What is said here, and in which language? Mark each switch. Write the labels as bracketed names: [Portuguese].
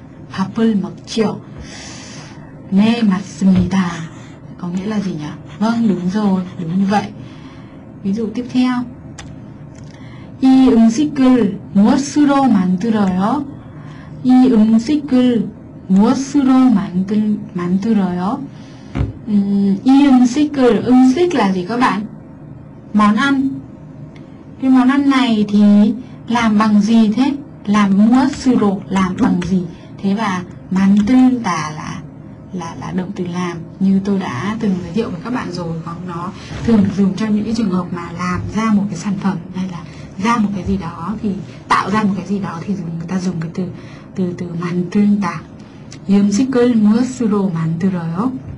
[Vietnamese] Hapul mực chiều. Nè mặt smita có nghĩa là gì nhỉ? Vâng, đúng rồi, đúng như vậy. Ví dụ tiếp theo, [Korean] 이 음식을 무엇으로 만들어요? 이 음식을 무엇으로 만들어요? 이 음식을 음식 [Vietnamese] là gì các bạn? Món ăn. Cái món ăn này thì làm bằng gì thế? Làm [Korean] 무엇으로 [Vietnamese] làm bằng gì? Thế và [Korean] 만들다 [Vietnamese] là động từ làm, như tôi đã từng giới thiệu với các bạn rồi, hoặc nó thường dùng cho những cái trường hợp mà làm ra một cái sản phẩm hay là ra một cái gì đó, thì tạo ra một cái gì đó thì người ta dùng cái từ 만들다. [Korean] 이 음식을 무엇으로 만들어요?